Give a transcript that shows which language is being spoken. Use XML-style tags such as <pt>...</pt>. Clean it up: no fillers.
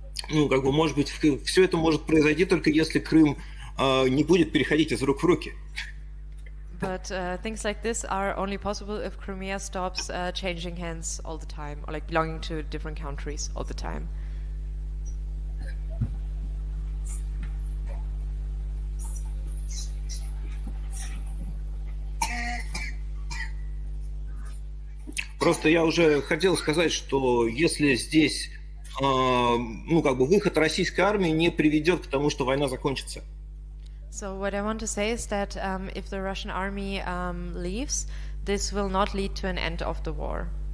<ru>Ну, как бы, может быть, все это может произойти только если Крым не будет переходить из рук в руки.</ru> <en>But things like this are only possible if Crimea stops changing hands all the time, or like belonging to different countries all the time.</en> <ru>Просто я уже хотел сказать, что если здесь ну, как бы, выход российской армии не приведет к тому, что война закончится.</ru> <en>So what I want to say is that if the Russian army leaves, this will not lead to an end of the war.</en>